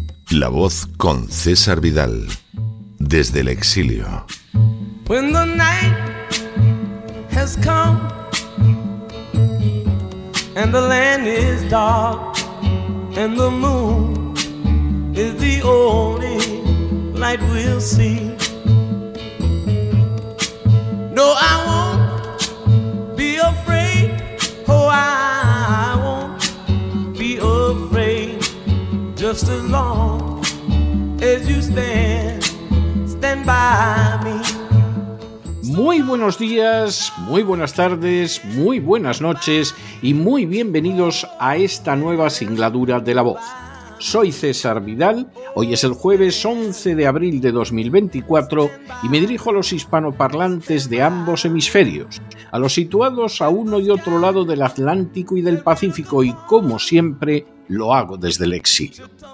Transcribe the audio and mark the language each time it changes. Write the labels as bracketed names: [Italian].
[Spanish] La voz con César Vidal, desde el exilio. [English] When the night has come and the land is dark and the moon is the only light we'll see. No, I won't be afraid. Oh, I won't be afraid. Just as long as you stand by me. [Spanish] Muy buenos días, muy buenas tardes, muy buenas noches y muy bienvenidos a esta nueva singladura de La Voz. Soy César Vidal, hoy es el jueves 11 de abril de 2024 y me dirijo a los hispanoparlantes de ambos hemisferios, a los situados a uno y otro lado del Atlántico y del Pacífico y, como siempre, lo hago desde el exilio.